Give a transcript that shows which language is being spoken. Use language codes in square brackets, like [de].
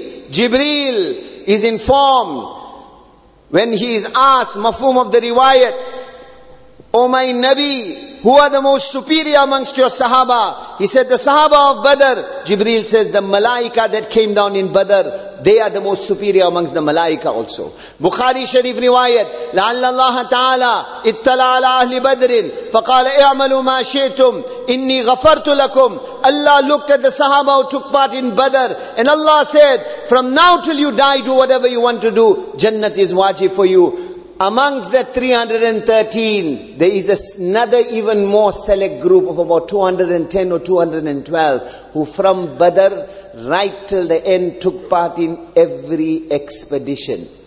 [en] Jibreel is informed when he is asked, mafhum of the riwayat, O my Nabi, who are the most superior amongst your Sahaba? He said, the Sahaba of Badr. Jibreel says, the Malaika that came down in Badr, they are the most superior amongst the Malaika also. [ar] Bukhari Sharif riwayat, لَعَلَّ اللَّهَ تَعَالَى اِتَّلَى عَلَى أَهْلِ بَدْرٍ فَقَالَ اِعْمَلُوا مَا شِئْتُمْ إِنِّي غَفَرْتُ لَكُمْ. [en] Allah looked at the Sahaba who took part in Badr, and Allah said, from now till you die, do whatever you want to do. Jannat is wajib for you. Amongst the 313, there is another even more select group of about 210 or 212 who from Badr right till the end took part in every expedition.